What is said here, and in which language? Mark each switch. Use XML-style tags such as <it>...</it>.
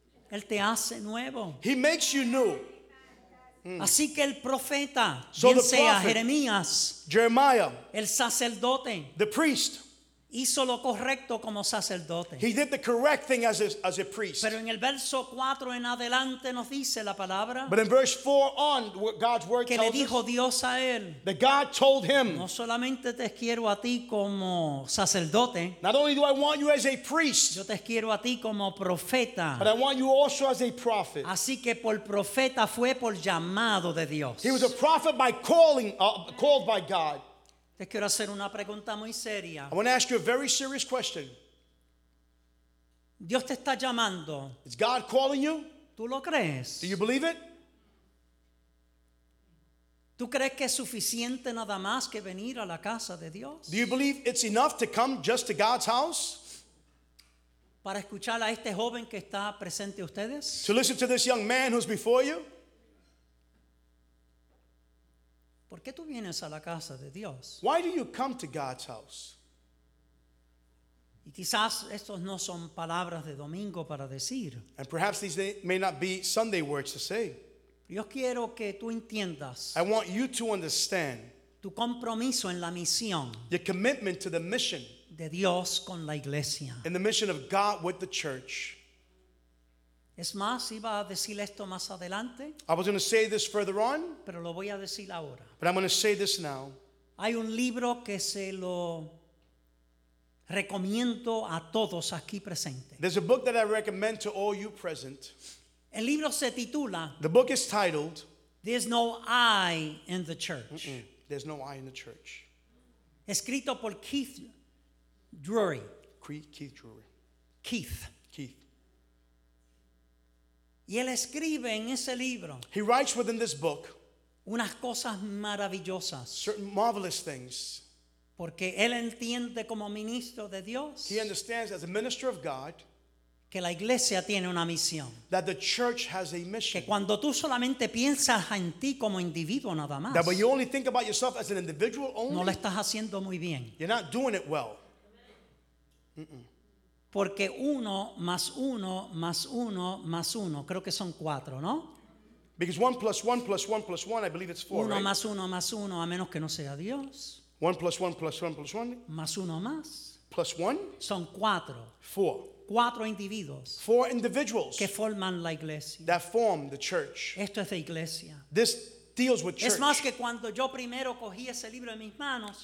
<es>Él te hace nuevo.</es> <en>He makes you new.</en> <es>Así que el profeta,</es> <en>so</en> <es>bien sea</es> <en>prophet,</en> <es>Jeremías,</es> <en>Jeremiah,</en> <es>el sacerdote,</es> <en>the priest,</en> <es>hizo lo correcto como sacerdote.</es> <en>He did the correct thing as a priest.</en> <es>Pero en el verso 4 en adelante nos dice la palabra.</es> <en>But in verse 4 on, God's word</en> <es>que</es> <en>tells</en> <es>le dijo</es> <en>us,</en> <es>Dios a él.</es> <en>That God told him.</en> <es>No solamente te quiero a ti como sacerdote.</es> <en>Not only do I want you as a priest.</en> <es>Yo te quiero a ti como profeta.</es> <en>But I want you also as a prophet.</en> <es>Así que por profeta fue por llamado de Dios.</es> <en>He was a prophet by calling, called by God.</en> <es>Te quiero hacer una pregunta muy seria.</es> <en>I want to ask you a very serious question.</en> <es>Dios te está llamando.</es> <en>Is God calling you?</en> <es>¿Tú lo crees?</es> <en>Do you believe it?</en> <es>¿Tú crees que es suficiente nada más que venir a la casa de Dios?</es> <en>Do you believe it's enough to come just to God's house?</en> <es>Para escuchar a este joven que está presente ustedes.</es> <en>To listen to this young man who's before you.</en> <es>¿Por qué tú vienes a la casa de Dios?</es> <en>Why do you come to God's house?</en> <es>Y Quizás estos no son palabras de domingo para decir.</es> <en>And perhaps these may not be Sunday words to say.</en> <es>Yo quiero que tú entiendas.</es> <en>I want you to understand.</en> <es>Tu compromiso en la misión.</es> <en>Your commitment to the mission.</en> <es>De Dios con la iglesia.</es> <en>And the mission of God with the church.</en> <es>Es más, iba a decir esto más adelante.</es> <en>I was going to say this further on.</en> <es>Pero lo voy a decir ahora.</es> <en>But I'm going to say this now.</en> <es>Hay un libro que se lo recomiendo a todos aquí presentes.</es> <en>There's a book that I recommend to all you present.</en> <es>El libro se titula.</es> <en>The book is titled. There's no I in the church. Mm-mm. There's no I in the church.</en> <es>Escrito por Keith Drury.</es> <en>Keith Drury. Keith. Keith.</en> <es>Y él escribe en ese libro.</es> <en>He writes within this book.</en> <es>Unas cosas maravillosas.</es> <en>Certain marvelous things.</en> <es>Porque él entiende como ministro de Dios.</es> <en>He understands as a minister of God.</en> <es>Que la iglesia tiene una misión.</es> <en>That the church has a mission.</en> <es>Que cuando tú solamente piensas en ti como individuo nada más.</es> <en>That when you only think about yourself as an individual only.</en> <es>No lo estás haciendo muy bien.</es> <en>You're not doing it well. Mm-mm.</en> <es>Porque uno más uno más uno más uno. Creo que son cuatro, ¿no?</es> <en>Because one plus one plus one plus one, I believe it's four,</en> <es>uno</es> <en>right?</en> <es>Más uno más uno, a menos que no sea Dios.</es> <en>One plus one plus one plus one.</en> <es>Más uno más.</es> <en>Plus one.</en> <es>Son cuatro.</es> <en>Four.</en> <es>Cuatro individuos.</es> <en>Four individuals.</en> <es>Que forman la iglesia.</es> <en>That form the church.</en> <es>Esto es de iglesia.</es> <en>This deals with church.</en> <es>Es más que cuando yo primero cogí ese libro en mis manos.</es>